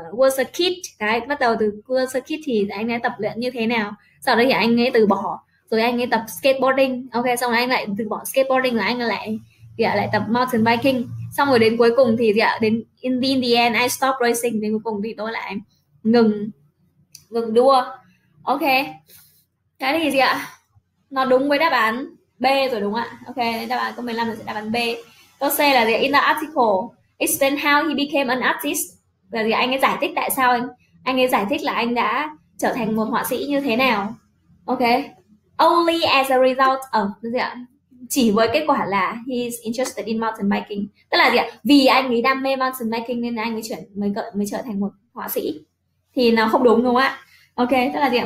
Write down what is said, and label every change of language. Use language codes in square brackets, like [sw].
[vi] Was a kid, cái bắt đầu từ [en] was a kid [vi] thì anh ấy tập luyện như thế nào, sau đó thì anh ấy từ bỏ, rồi anh ấy tập skateboarding, ok, xong rồi anh lại từ bỏ skateboarding, rồi anh lại gì ạ? Lại tập mountain biking, xong rồi đến cuối cùng thì gì ạ? Đến [en] in the end I stopped racing, [vi] đến cuối cùng thì tôi lại ngừng đua. Ok, cái này gì ạ? Nó đúng với đáp án B rồi đúng ạ? Ok, đáp án câu 15 là sẽ đáp án B. Câu C là gì ạ? [en] In the article explain how he became an artist. [vi] Là gì? Anh ấy giải thích tại sao anh ấy giải thích là anh đã trở thành một họa sĩ như thế nào. Ok, [en] only as a result of [vi] gì ạ? Chỉ với kết quả là [en] he's interested in mountain biking, [vi] tức là gì ạ? Vì anh ấy đam mê mountain biking nên anh ấy mới trở thành một họa sĩ thì nó không đúng đúng không ạ? Ok, tức là gì ạ?